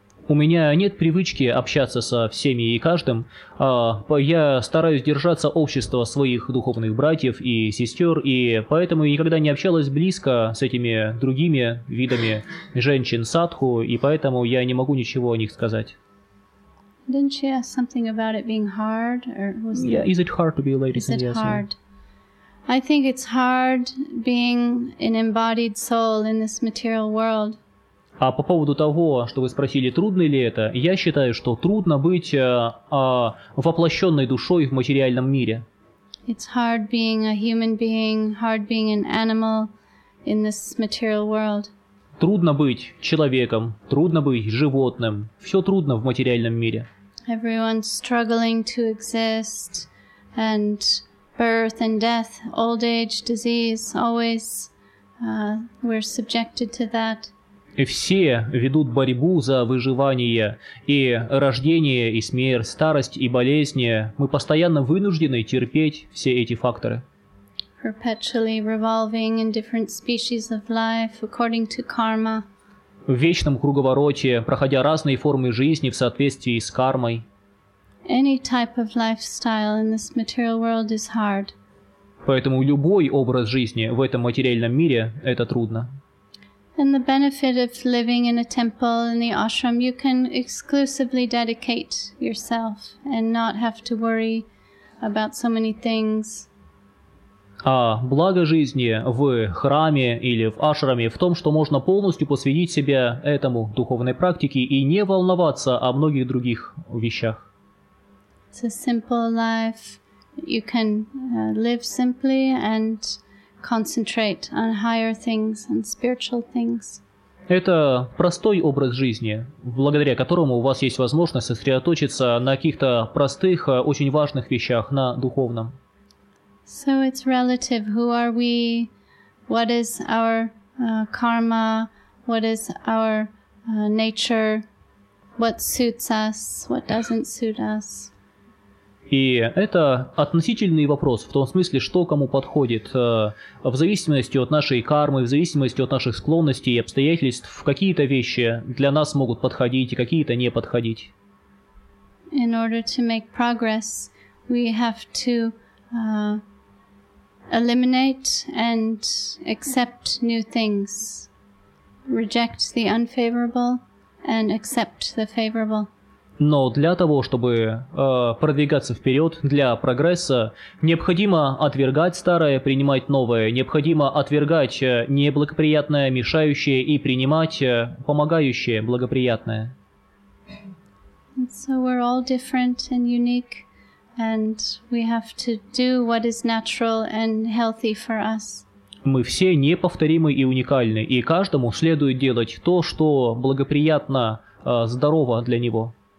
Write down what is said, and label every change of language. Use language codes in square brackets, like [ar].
[ru] У меня нет привычки общаться со всеми и каждым. Я стараюсь держаться общества своих духовных братьев и сестер, и поэтому никогда не общалась близко с этими другими видами женщин садху, и поэтому я не могу ничего о них сказать. [en] Didn't she ask something about it being hard, or was it? Yeah, is it hard to be a lady? Is it hard? I think it's hard being an embodied soul in this material world. [ru] А по поводу того, что вы спросили, трудно ли это, я считаю, что трудно быть воплощенной душой в материальном мире. [en] It's hard being a human being, hard being an animal in this material world. [ru] Трудно быть человеком, трудно быть животным. Все трудно в материальном мире. [en] Everyone's struggling to exist, and birth and death, old age, disease, always we're subjected to that. [ru] Все ведут борьбу за выживание, и рождение, и смерть, старость, и болезни. Мы постоянно вынуждены терпеть все эти факторы. [en] Perpetually revolving in different species of life according to karma. [ru] в вечном круговороте, проходя разные формы жизни в соответствии с кармой. [en] Any type of lifestyle in this material world is hard. [ru] Поэтому любой образ жизни в этом материальном мире — это трудно. [en] And the benefit of living in a temple in the ashram, you can exclusively dedicate yourself and not have to worry about so many things. [ru] А благо жизни в храме или в ашраме в том, что можно полностью посвятить себя этому духовной практике и не волноваться о многих других вещах. [en] It's a simple life. You can live simply and concentrate on higher things and spiritual things. [ru] Это простой образ жизни, благодаря которому у вас есть возможность сосредоточиться на каких-то простых, очень важных вещах, на духовном. [en] So it's relative. Who are we? What is our karma? What is our nature? What suits us? What doesn't suit us? [ru] И это относительный вопрос, в том смысле, что кому подходит, в зависимости от нашей кармы, в зависимости от наших склонностей и обстоятельств, какие-то вещи для нас могут подходить и какие-то не подходить. [en] In order to make progress, we have to eliminate and accept new things, reject the unfavorable and accept the favorable. [ru] Но для того, чтобы продвигаться вперед, для прогресса, необходимо отвергать старое, принимать новое, необходимо отвергать неблагоприятное, мешающее и принимать помогающее, благоприятное. [en] And so we're all different and unique, and we have to do what is natural and healthy for us. [ru] Мы все неповторимы и уникальны, и каждому следует делать то, что благоприятно, здорово для него.